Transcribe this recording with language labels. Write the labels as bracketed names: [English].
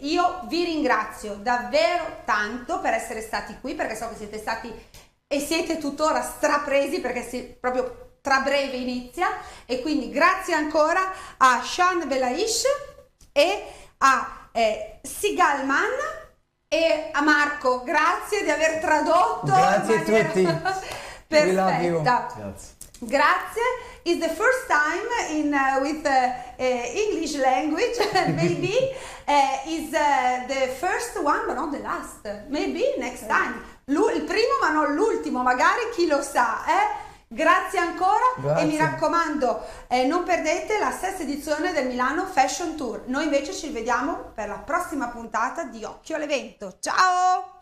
[Italian] Io vi ringrazio davvero tanto per essere stati qui perché so che siete stati e siete tuttora strapresi perché siete proprio tra breve inizia e quindi grazie ancora a Sean Belaish e a Sigal Mann e a Marco, grazie di aver tradotto in tutti. [English] We love you. [Italian] perfetta. Grazie. [English] It's the first time in with English language, maybe is the first one, but not the last. Maybe next time. [Italian] Il primo, ma non l'ultimo, magari chi lo sa, eh? Grazie ancora e mi Grazie. raccomando, non perdete la sesta edizione del Milano Fashion Tour. Noi invece ci vediamo per la prossima puntata di Occhio all'Evento. Ciao!